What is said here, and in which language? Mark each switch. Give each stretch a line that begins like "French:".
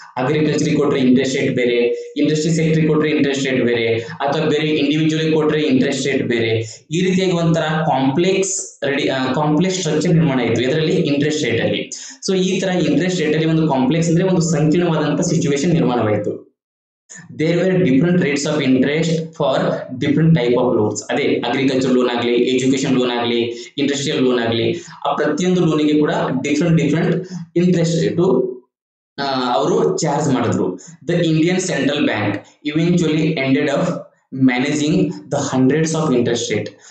Kannada: ಅಗ್ರಿಕಲ್ಚರ್ಗೆ ಕೊಟ್ರೆ interest rate ಬೇರೆ, industry ಸೆಕ್ಟರ್ಗೆ ಕೊಟ್ರೆ ಇಂಟ್ರೆಸ್ಟ್ ರೇಟ್ ಬೇರೆ, ಅಥವಾ ಬೇರೆ ಇಂಡಿವಿಜುವಲ್ ಕೊಟ್ರೆ ಇಂಟ್ರೆಸ್ಟ್ ರೇಟ್ ಬೇರೆ. ಈ ರೀತಿಯಾಗಿ ಒಂಥರ ಕಾಂಪ್ಲೆಕ್ಸ್ ಸ್ಟ್ರಕ್ಚರ್ ನಿರ್ಮಾಣ ಆಯ್ತು ಇದರಲ್ಲಿ ಇಂಟ್ರೆಸ್ಟ್ ರೇಟ್ ಅಲ್ಲಿ. ಸೊ ಈ ತರ ಇಂಟ್ರೆಸ್ಟ್ ರೇಟ್ ಅಲ್ಲಿ ಒಂದು ಕಾಂಪ್ಲೆಕ್ಸ್ ಅಂದ್ರೆ ಒಂದು ಸಂಕೀರ್ಣವಾದಂತಹ situation ನಿರ್ಮಾಣವಾಯಿತು.
English: There were different rates of interest for different type of loans.
Kannada: ಅದೇ ಅಗ್ರಿಕಲ್ಚರ್ ಲೋನ್ ಆಗಲಿ, ಎಜುಕೇಶನ್ ಲೋನ್ ಆಗಲಿ, ಇಂಡಸ್ಟ್ರಿಯಲ್ ಲೋನ್ ಆಗಲಿ, ಆ ಪ್ರತಿಯೊಂದು ಲೋನಿಗೆ ಕೂಡ ಡಿಫ್ರೆಂಟ್ ಇಂಟ್ರೆಸ್ಟ್ ರೇಟು ಅವರು ಚಾರ್ಜ್ ಮಾಡಿದ್ರು.
English: The Indian central bank eventually ended of managing the hundreds of interest rate.